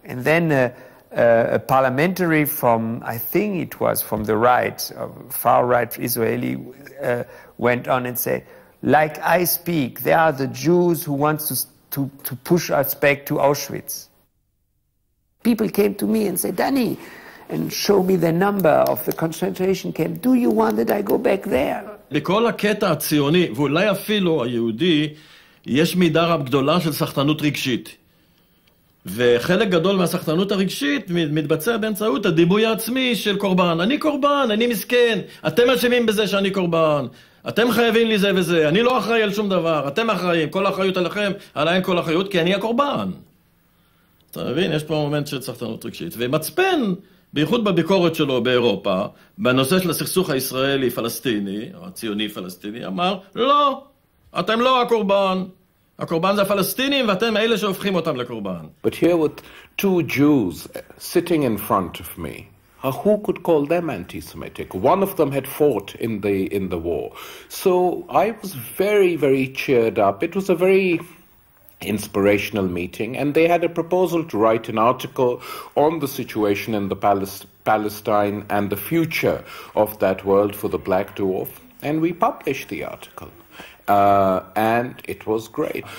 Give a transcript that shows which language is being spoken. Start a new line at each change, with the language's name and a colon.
English: And then a parliamentary from, I think it was from the right, far right Israeli, went on and said, like I speak, there are the Jews who want to push us back to Auschwitz. People came to me and said, Danny, and show me the number of the concentration camp. Do you want that I go back there?
Hebrew: בכל הקטע הציוני, ואולי אפילו היהודי, יש מידה רב גדולה של סחטנות רגשית. וחלק גדול מהסחטנות הרגשית מתבצע באמצעות הדיבוי העצמי של קורבן. אני קורבן, אני מסכן, אתם אשמים בזה שאני קורבן, אתם חייבים לי זה וזה, אני לא אחראי על שום דבר, אתם אחראים, כל האחריות עליכם, עליהם כל האחריות, כי אני הקורבן. אתה מבין? יש פה מומנט של סחטנות רגשית. ומצפן, בייחוד בביקורת שלו באירופה, בנושא של הסכסוך הישראלי-פלסטיני, או הציוני-פלסטיני, אמר, לא, אתם לא הקורבן. הקורבן זה הפלסטינים, ואתם אלה שהופכים אותם לקורבן.
English: But here with two Jews sitting in front of me, who could call them anti-Semitic? One of them had fought in the war. So I was very, very cheered up. It was a very inspirational meeting, and they had a proposal to write an article on the situation in the Palestine and the future of that world for the Black Dwarf, and we published the article, and it was great.